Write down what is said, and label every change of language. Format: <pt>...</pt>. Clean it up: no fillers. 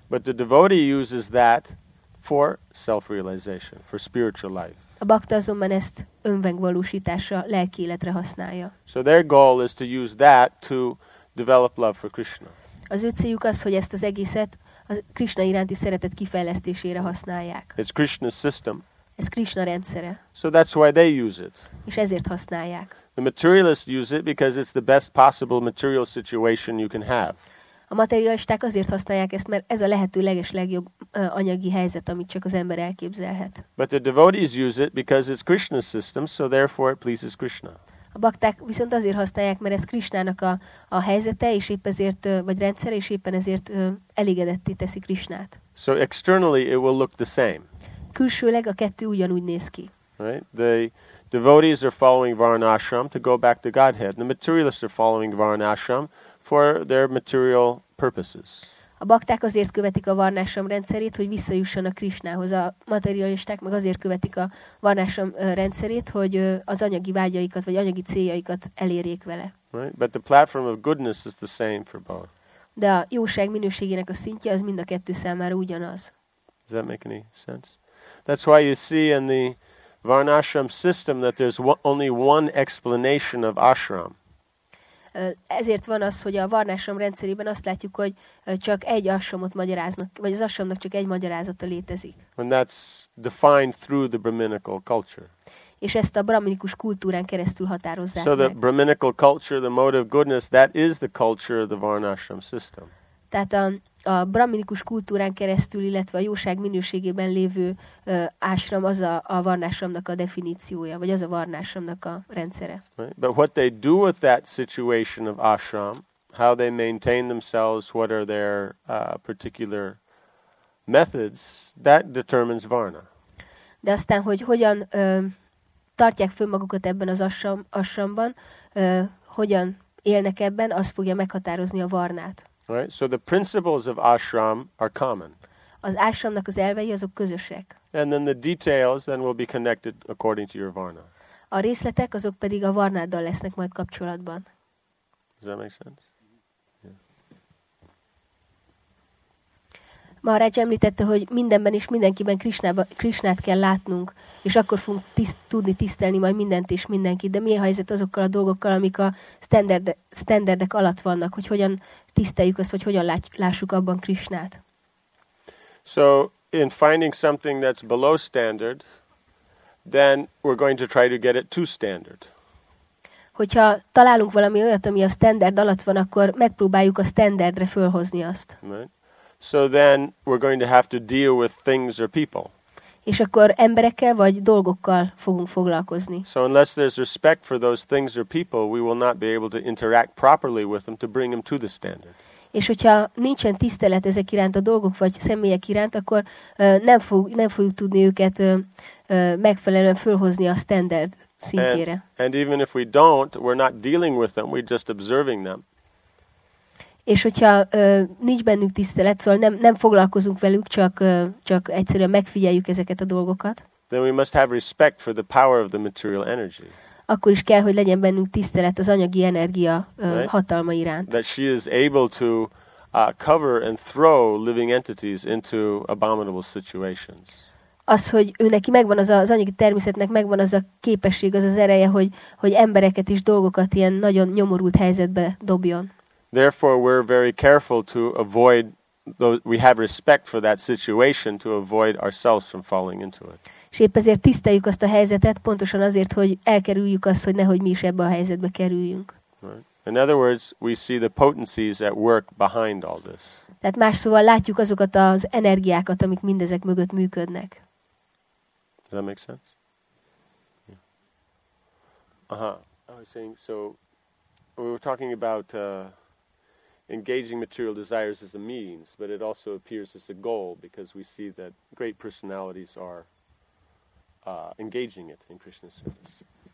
<en>But the devotee uses that for self-realization, for spiritual life.</en> <hu>A bhakta azonban ezt önmegvalósításra, lelki életre használja.</hu> <en>So their goal is to use that to develop love for Krishna.</en> <hu>Az ő céljuk az, hogy ezt az egészet a Krishna iránti szeretet kifejlesztésére használják.</hu> <en>It's Krishna's system.</en> <hu>Ez Krishna rendszere.</hu> <en>So that's why they use it.</en> <hu>És ezért használják.</hu> <en>The materialists use it because it's the best possible material situation you can have.</en> <hu>A materialisták azért használják ezt, mert ez a lehető legeslegjobb anyagi helyzet, amit csak az ember elképzelhet.</hu> <en>But the devotees use it because it's Krishna's system, so therefore it pleases Krishna.</en> <hu>A bakták viszont azért használják, mert ez Krishnának a helyzete, és épp ezért, vagy rendszer, és éppen ezért elégedetté teszi Krishnát.</hu> <en>So externally it will look the same.</en> <hu>Külsőleg a kettő ugyanúgy néz ki.</hu> <en>Right? The devotees are following Varnashram to go back to Godhead. The materialists are following Varnashram for their material purposes.</en> <hu>A bakták azért követik a Varnashram rendszerét, hogy visszajussanak Krishnához. A materialisták meg azért követik a Varnashram rendszerét, hogy az anyagi vágyaikat vagy anyagi céljaikat elérjék vele.</hu> <en>Right? But the platform of goodness is the same for both.</en> <hu>De a jóság minőségének a szintje az mind a kettő számára ugyanaz.</hu> <en>Does that make any sense? That's why you see in the Varnashram system that there's only one explanation of ashram.</en> <hu>Ezért van az, hogy a Varnashram rendszerében azt látjuk, hogy csak egy ashramot magyaráznak, vagy az ashramnak csak egy magyarázata létezik.</hu> <en>And that's defined through the brahminical culture.</en> <hu>És ezt a brahminikus kultúrán keresztül határozzák</hu> <en>meg. So the brahminical culture, the mode of goodness, that is the culture of the Varnashram system.</en> <hu>Tehát a brahminikus kultúrán keresztül, illetve a jóság minőségében lévő ashram, az a Varnashramnak a definíciója, vagy az a Varnashramnak a rendszere.</hu> <en>Right. But what they do with that situation of ashram, how they maintain themselves, what are their particular methods, that determines varna.</en> <hu>De aztán, hogy hogyan tartják fönn magukat ebben az ashramban, hogyan élnek ebben, az fogja meghatározni a varnát.</hu> <en>Right, so the principles of ashram are common.</en> <hu>Az ashramnak az elvei azok közösek.</hu> <en>And then the details then will be connected according to your varna.</en> <hu>A részletek azok pedig a varnáddal lesznek majd kapcsolatban.</hu> <en>Does that make sense?</en> <hu>Maharaj említette, hogy mindenben és mindenkiben Krishnát kell látnunk, és akkor fogunk tudni tisztelni majd mindent és mindenkit. De mi a helyzet azokkal a dolgokkal, amik a standardek alatt vannak, hogy hogyan tiszteljük azt, vagy hogyan lássuk abban Krishnát?</hu> <en>So, in finding something that's below standard, then we're going to try to get it to standard.</en> <hu>Hogyha találunk valami olyat, ami a standard alatt van, akkor megpróbáljuk a standardre fölhozni azt.</hu> <en>Right. So then we're going to have to deal with things or people.</en> <hu>És akkor emberekkel vagy dolgokkal fogunk foglalkozni.</hu> <en>So unless there's respect for those things or people, we will not be able to interact properly with them to bring them to the standard.</en> <hu>És hogyha nincsen tisztelet ezek iránt a dolgok vagy személyek iránt, akkor nem fogjuk tudni őket megfelelően fölhozni a standard szintjére.</hu> <en>And even if we don't, we're not dealing with them, we're just observing them.</en> <hu>És hogyha nincs bennünk tisztelet, szóval nem foglalkozunk velük, csak egyszerűen megfigyeljük ezeket a dolgokat.</hu> <en>Then we must have respect for the power of the material energy.</en> <hu>Akkor is kell, hogy legyen bennünk tisztelet az anyagi energia hatalma iránt.</hu> <en>That she is able to cover and throw living entities into abominable situations.</en> <hu>Az, hogy ő neki megvan az anyagi természetnek, megvan az a képesség, az az ereje, hogy embereket is, dolgokat ilyen nagyon nyomorult helyzetbe dobjon.</hu> <en>Therefore, we're very careful to avoid, though we have respect for that situation, to avoid ourselves from falling into it.</en> <hu>És épp ezért tiszteljük azt a helyzetet, pontosan azért, hogy elkerüljük azt, hogy nehogy mi is ebbe a helyzetbe kerüljünk.</hu> <en>Right. In other words, we see the potencies at work behind all this.</en> <hu>Tehát más szóval látjuk azokat az energiákat, amik mindezek mögött működnek.</hu> <en>Does that make sense? Yeah. Uh-huh. I was saying, so we were talking about engaging material desires as a means, but it also appears as a goal because we see that great personalities are engaging it in Krishna's service.</en>